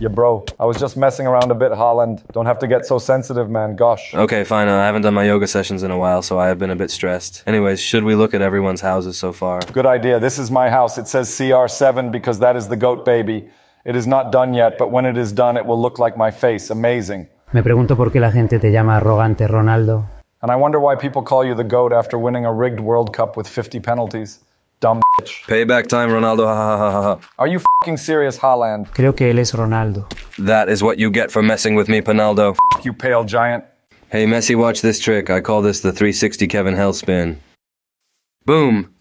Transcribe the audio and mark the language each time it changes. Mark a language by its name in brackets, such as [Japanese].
[English] Yeah, bro. I was just messing around a bit, Haaland. Don't have to get so sensitive, man. Gosh. Okay, fine. I haven't done my yoga sessions in a while, so I have been a bit stressed. Anyways, should we look at everyone's houses so far? Good idea. This is my house. It says CR7 because that is the goat baby. It is not done yet, but when it is done, it will look like my face. Amazing. [Spanish] Me pregunto por qué la gente te llama arrogante, Ronaldo. [English] And I wonder why people call you the GOAT after winning a rigged World Cup with 50 penalties. Dumb bitch. Payback time, Ronaldo. Are you f***ing serious, Haaland? [Spanish] Creo que él es Ronaldo. [English] That is what you get for messing with me, Ronaldo. F*** you, pale giant. Hey, Messi, watch this trick. I call this the 360 Kevin Hell spin. Boom.